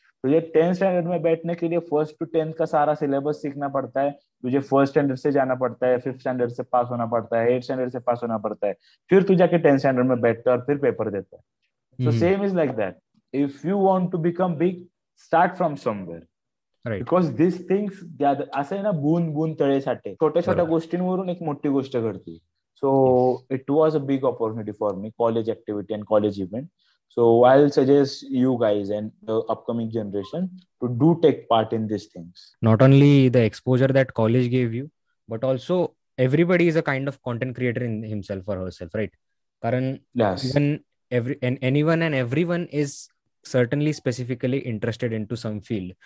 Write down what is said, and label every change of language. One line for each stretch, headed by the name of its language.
Hindi: तुझे 10th standard में बैठने के लिए फर्स्ट टू 10th का सारा सिलेबस सीखना पड़ता है. तुझे फर्स्ट स्टैंडर्ड से जाना पड़ता है, फिफ्थ स्टैंडर्ड से पास होना पड़ता है, एट स्टैंडर्ड से पास होना पड़ता है, फिर तू जाके 10th स्टैंडर्ड में बैठता है और फिर पेपर देता है.
English: So same is like that. If you want to become big, start from somewhere, because this things
Marathi: असं आहे ना, बूंद बूंद तळे साठे, छोट्या छोट्या गोष्टींवरून एक मोठी गोष्ट घडते.
English: So it was a big opportunity for me, college activity and college event. So I'll suggest you guys and the upcoming generation to do take part in these things. Not only the exposure that college gave you, but also everybody is a kind of content creator in himself or herself, right? Karan, yes. Even anyone and everyone is certainly specifically interested into some field.